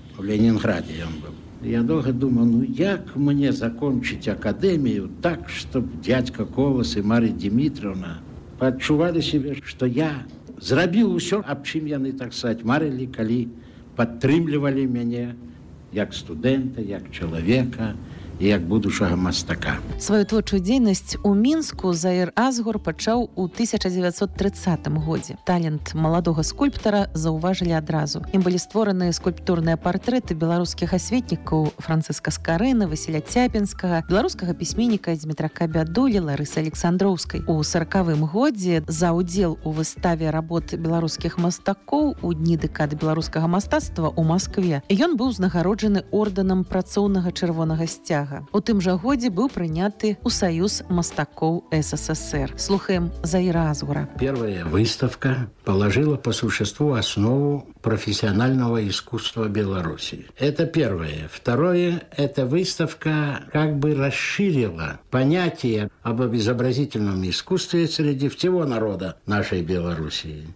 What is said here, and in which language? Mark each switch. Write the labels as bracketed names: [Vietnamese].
[Russian] В Ленинграде он был. Я долго думал, ну как мне закончить академию так, чтобы дядька Колос и Марья Дмитриевна почували себе, что я зробил все, об чем яны, так сказать, марили, коли подтримливали меня, как студента, как человека, [Belarusian] і як будучага мастака. Сваю творчую дзейнасць у Мінску Заір Азгор пачаў у 1930 годзе. Талент маладога скульптара заўважылі адразу. Ім былі створаны скульптурныя партрэты беларускіх асветнікаў Францыска Скарына, Васіля Цяпінскага, беларускага пісьменніка Дзмітра Кабядулі, Ларысы Александроўскай. У 40-м годзе за ўдзел у выставе работ беларускіх мастакоў у дні дэкады беларускага мастацтва ў Маскве ён быў узнагароджаны ордэнам працоўнага чырвонага сцяга. гэтага. У тым жа годзе быў прыняты ў Саюз мастакоў СССР. Слухаем Заіра Азгура. [Russian] Первая выставка положила по существу основу профессионального искусства Беларуси. Это первое. Второе, эта выставка как бы расширила понятие об изобразительном искусстве среди всего народа нашей Белоруссии.